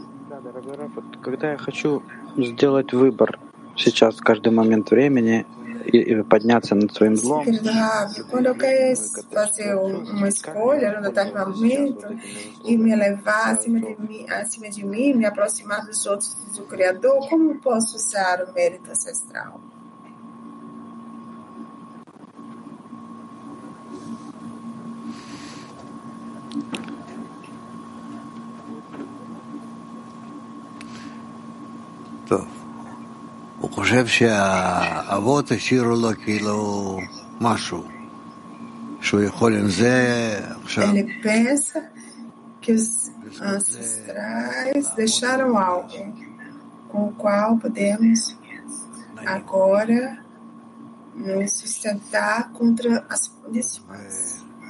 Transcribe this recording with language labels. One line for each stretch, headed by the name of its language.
Russian: Да, дорогой Раф, вот, когда я хочу сделать выбор сейчас, в каждый момент времени, и подняться над своим злом.
Portuguese: Quando eu quero fazer uma escolha no dado momento e me elevar acima de mim, me aproximar dos outros do Criador, como posso usar o mérito ancestral?
Hebrew: הוא חושב שהאבות השאירו לו כאילו משהו שהוא יכול עם זה עכשיו.
Portuguese: Ele pensa que os ancestrais deixaram algo com o qual podemos agora nos sustentar contra as punições.